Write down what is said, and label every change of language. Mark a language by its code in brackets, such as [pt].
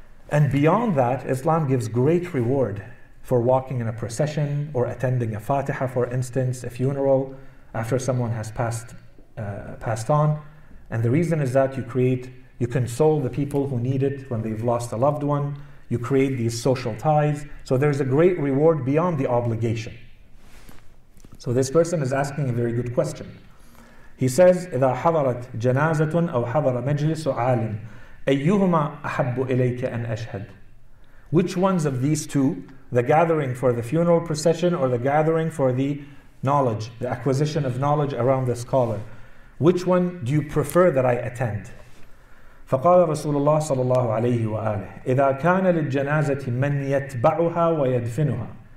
[en] And beyond that, Islam gives great reward for walking in a procession or attending a Fatiha, for instance, a funeral after someone has passed on. And the reason is that you console the people who need it when they've lost a loved one. You create these social ties. So there's a great reward beyond the obligation. So this person is asking a very good question. He says, [ar] إِذَا حَضَرَتْ جَنَازَةٌ أَوْ حَضَرَ مَجْلِسُ عَالِمٍ أَيُّهُمَا أَحَبُّ إِلَيْكَ أَنْ أَشْهَدْ. [en] Which ones of these two, the gathering for the funeral procession or the gathering for the knowledge, the acquisition of knowledge around the scholar, which one do you prefer that I attend? [ar] فَقَالَ رَسُولُ اللَّهِ صَلَى اللَّهُ عَلَيْهِ وَآلِهِ إِذَا كَانَ لِلْجَنَازَةِ مَنْ يَتْبَعُهَا وَيَدْفِنُهَا.